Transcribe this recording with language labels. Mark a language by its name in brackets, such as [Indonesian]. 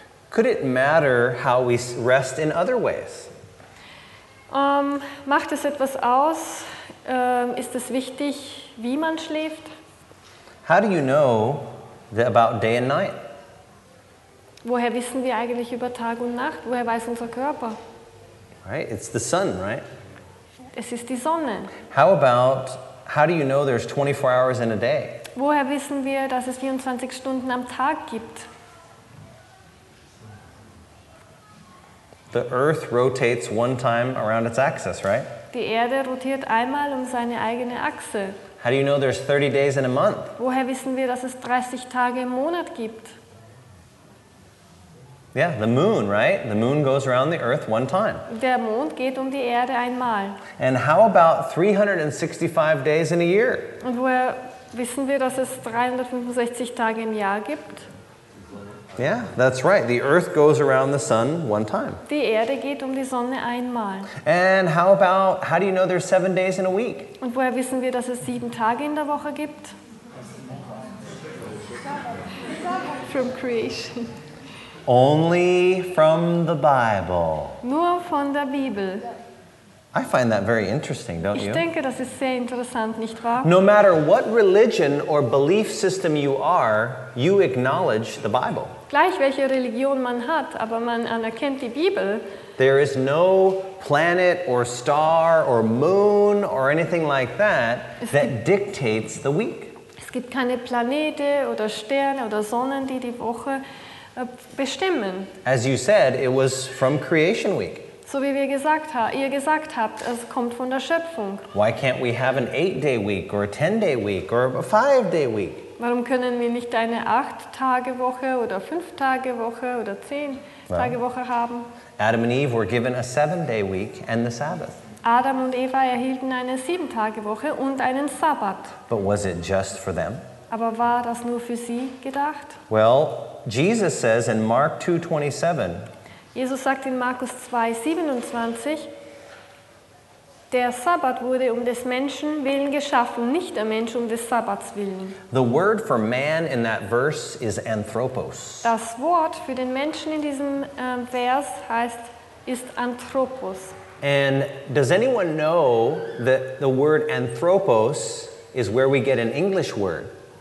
[English] Could it matter how we rest in other ways? [German] Macht es etwas aus? Ist es wichtig, wie man schläft? [English] How do you know about day and night? [German] Woher wissen wir eigentlich über Tag und Nacht? Woher weiß unser Körper? [English] Right, it's the sun, right? [German] Es ist die Sonne. [English] How do you know there's 24 hours in a day? [German] Woher wissen wir, dass es 24 Stunden am Tag gibt? [English] The Earth rotates one time around its axis, right? [German] Die Erde rotiert einmal um seine eigene Achse. [English] How do you know there's 30 days in a month? [German] Woher wissen wir, dass es 30 Tage im Monat gibt? [English] Yeah, the moon, right? The moon goes around the Earth one time. [German] Der Mond geht um die Erde einmal. [English] And how about 365 days in a year? [German] Und woher wissen wir, dass es 365 Tage im Jahr gibt? [English] Yeah, that's right. The Earth goes around the sun one time. [German] Die Erde geht um die Sonne einmal. [English] And how do you know there's 7 days in a week? [German] Und woher wissen wir, dass es 7 Tage in der Woche gibt? [English] From creation. Only from the Bible. [German] Nur von der Bibel. [English] I find that very interesting, don't you? [German] Ich denke, das ist sehr interessant, nicht wahr? [English] No matter what religion or belief system you are, you acknowledge the Bible. [German] Gleich welche Religion man hat, aber man anerkennt die Bibel. [English] There is no planet or star or moon or anything like that that dictates the week. [German] Es gibt keine Planete oder Sterne oder Sonnen, die Woche bestimmen. [English] As you said, it was from creation week. [German] So wie ihr gesagt habt, es kommt von der Schöpfung. [English] Why can't we have an 8-day week or a 10-day week or a 5-day week? [German] Warum können wir nicht eine 8-Tage-Woche oder 5-Tage-Woche oder 10-Tage-Woche haben? [English] Adam and Eve were given a 7-day week and the Sabbath. [German] Adam und Eva erhielten eine 7-Tage-Woche und einen Sabbat. [English] But was it just for them? [German] Aber war das nur für sie gedacht? [English] Well, Jesus says in Mark 2:27. [German] Jesus sagt in Markus 2:27, der Sabbat wurde um des Menschen willen geschaffen, nicht der Mensch um des Sabbats willen. [English] The word for man in that verse is anthropos. [German] Das Wort für den Menschen in diesem Vers heißt ist anthropos. [English] And does anyone know that the word anthropos is where we get an English word?